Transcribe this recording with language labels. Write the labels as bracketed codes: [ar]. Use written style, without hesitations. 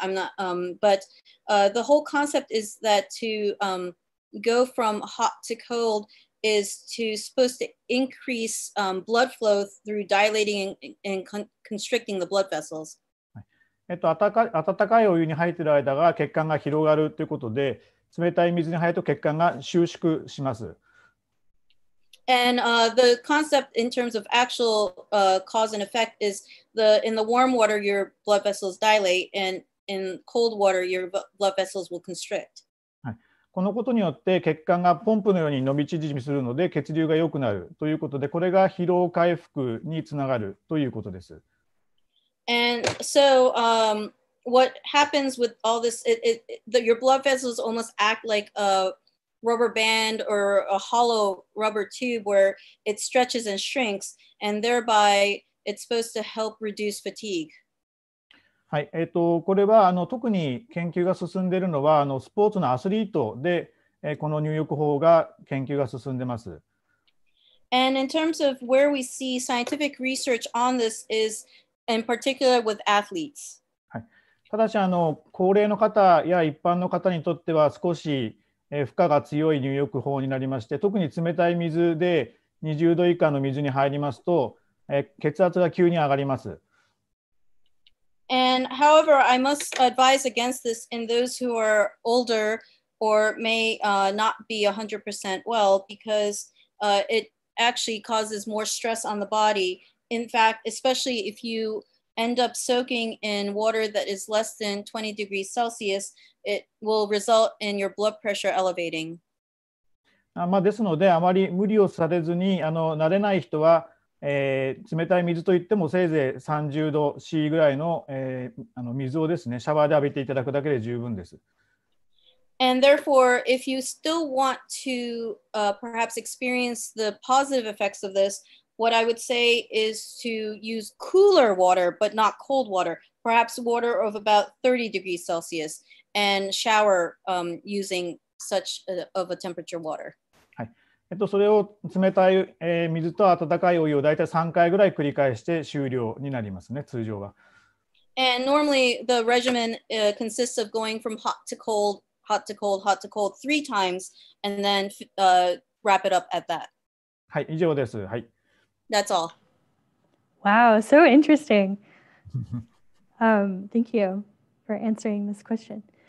[en] I'm not, the whole concept is that to go from hot to cold is to supposed to increase blood flow through dilating and constricting the blood vessels. [ja] 温かいお湯に入っている間が血管が広がるということで、冷たい水に入ると血管が収縮します。 [en] And the concept in terms of actual cause and effect is in the warm water your blood vessels dilate and in cold water your blood vessels will constrict.、 [ja] はい、このことによって血管がポンプのように伸び縮みするので血流が良くなるということで、これが疲労回復につながるということです。 [en] And so what happens with all this, your blood vessels almost act like a rubber band or a hollow rubber tube where it stretches and shrinks, and thereby it's supposed to help reduce fatigue. [ja] はい、これは特に研究が進んでいるのはスポーツのアスリートで、この入浴法が研究が進んでます。 [en] And in terms of where we see scientific research on this is,In particular with athletes. [ja] ただし高齢の方や一般の方にとっては少し負荷が強い入浴法になりまして、特に冷たい水で20度以下の水に入りますと血圧が急に上がります。 [en] And however, I must advise against this in those who are older or may not be 100% well because it actually causes more stress on the body. In fact, especially if you end up soaking in water that is less than 20 degrees Celsius, it will result in your blood pressure elevating. [ja] ですので、あまり無理をされずに、慣れない人は、冷たい水といってもせいぜい30度 C ぐらい の,、水をですね、シャワーで浴びていただくだけで十分です。 [en] And therefore, if you still want to perhaps experience the positive effects of this,What I would say is to use cooler water, but not cold water, perhaps water of about 30 degrees Celsius, and shower using such of a temperature water. [ja] はい。それを冷たい、水と温かいお湯をだいたい3回ぐらい繰り返して終了になりますね、通常は。 [en] And normally the regimen consists of going from hot to cold, hot to cold, hot to cold three times, and then wrap it up at that. [ja] はい、以上です。はい。 [en] That's all. Wow, so interesting. thank you for answering this question.